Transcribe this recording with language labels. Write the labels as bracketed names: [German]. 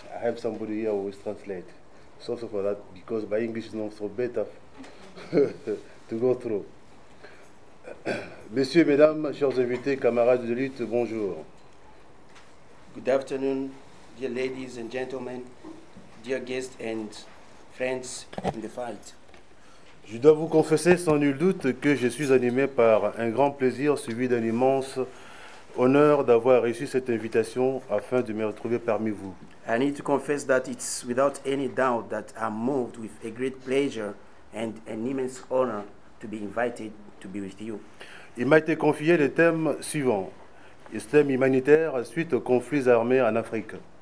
[English] I have somebody here who is translate. So for that, because my English is not so better to go through. [French] Messieurs, mesdames, chers invités, camarades de lutte, bonjour. [English] Good afternoon, dear ladies and gentlemen, dear guests and friends in the fight. [French] Je dois vous confesser sans nul doute que je suis animé par un grand plaisir suivi d'un immense honneur d'avoir reçu cette invitation afin de me retrouver parmi vous. [English] I need to confess that it's without any doubt that I'm moved with a great pleasure and an immense honor to be invited to be with you. [French] Il m'a été confié le thème suivant, le thème humanitaire suite aux conflits armés en Afrique.